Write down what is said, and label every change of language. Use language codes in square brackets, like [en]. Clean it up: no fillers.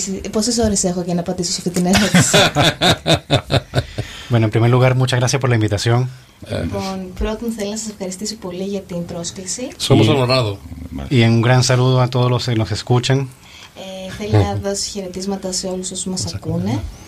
[el] Πόσες ώρες έχω για να απαντήσω σε αυτή την ερώτηση? [es] Bueno, en primer lugar, muchas gracias por la invitación. [el] Λοιπόν, πρώτον θέλω να σας ευχαριστήσω πολύ για την πρόσκληση. [es] Somos honorado. Y un gran saludo a todos los que nos escuchan. [el] Θέλω να δώσω χαιρετίσματα σε όλους όσους μας ακούνε.